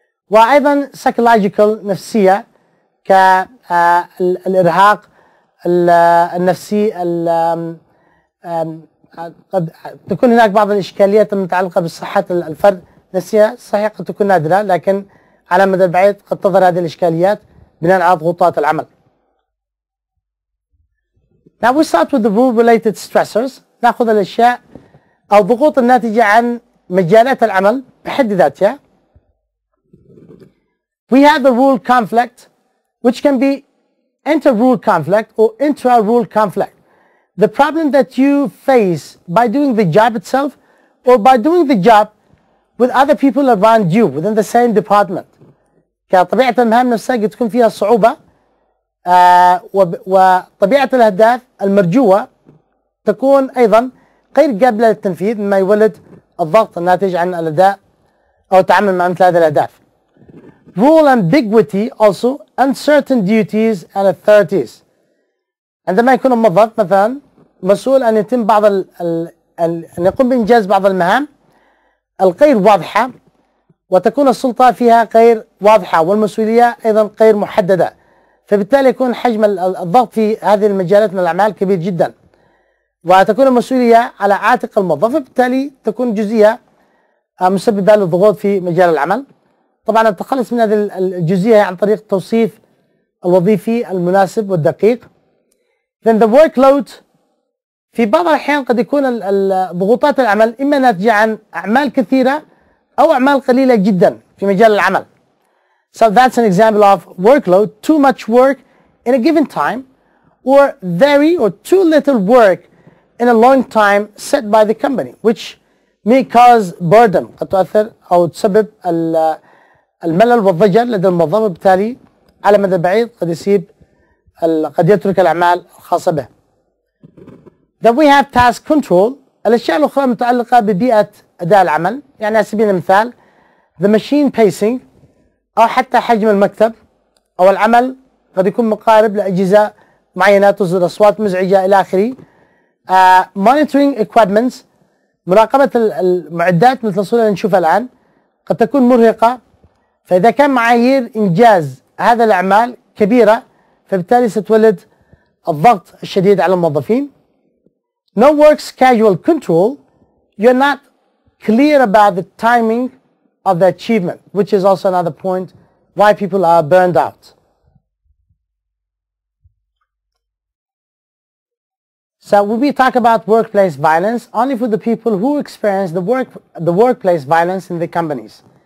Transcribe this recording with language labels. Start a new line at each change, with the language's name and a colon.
Arabic: وأيضا psychological, نفسية, كالإرهاق النفسي, قد تكون هناك بعض الإشكاليات المتعلقة بالصحة الفرد نفسية. صحيح قد تكون نادرة لكن على المدى البعيد قد تظهر هذه الإشكاليات بناء على ضغوطات العمل.
English: Now we start with the work-related stressors.
Arabic: نأخذ الأشياء أو الضغوط الناتجة عن مجالات العمل بحد ذاتها.
English: We have the rule conflict, which can be inter-rule conflict or intra-rule conflict. The problem that you face by doing the job itself or by doing the job with other people around you within the same department.
Arabic: كطبيعة المهام نفسها قد تكون فيها صعوبة, وطبيعة الأهداف المرجوة تكون أيضا غير قابلة للتنفيذ, مما يولد الضغط الناتج عن الأداء أو التعامل مع مثل هذه الأهداف.
English: Rule ambiguity also, uncertain duties and authorities.
Arabic: عندما يكون الموظف مثلا مسؤول أن يتم بعض أن يقوم بإنجاز بعض المهام الغير واضحة, وتكون السلطة فيها غير واضحة والمسؤولية أيضا غير محددة, فبالتالي يكون حجم الضغط في هذه المجالات من الأعمال كبير جدا, وتكون المسؤولية على عاتق الموظف, وبالتالي تكون جزئية مسببة للضغوط في مجال العمل. طبعا التخلص من هذه الجزئية عن طريق توصيف الوظيفي المناسب والدقيق.
English: Then the workload,
Arabic: في بعض الأحيان قد يكون ضغوطات العمل إما ناتجة عن أعمال كثيرة أو أعمال قليلة جدا في مجال العمل.
English: So that's an example of workload, too much work in a given time or very or too little work in a long time set by the company, which may cause boredom,
Arabic: قد تؤثر أو تسبب الملل والضجر لدى الموظف, وبالتالي على مدى بعيد قد يسيب قد يترك الأعمال الخاصة به.
English: Then we have task control,
Arabic: الأشياء الأخرى متعلقة ببيئة أداء العمل. يعني على سبيل المثال
English: the machine pacing
Arabic: أو حتى حجم المكتب أو العمل قد يكون مقارب لأجهزة معينة تصدر أصوات مزعجة إلى آخره.
English: Monitoring equipments
Arabic: مراقبة المعدات مثل الصورة اللي نشوفها الآن قد تكون مرهقة، فإذا كان معايير إنجاز هذا الأعمال كبيرة فبالتالي ستولد الضغط الشديد على الموظفين.
English: No work schedule control, you're not clear about the timing of the achievement, which is also another point why people are burned out. So when we talk about workplace violence, only for the people who experience the workplace violence in the companies.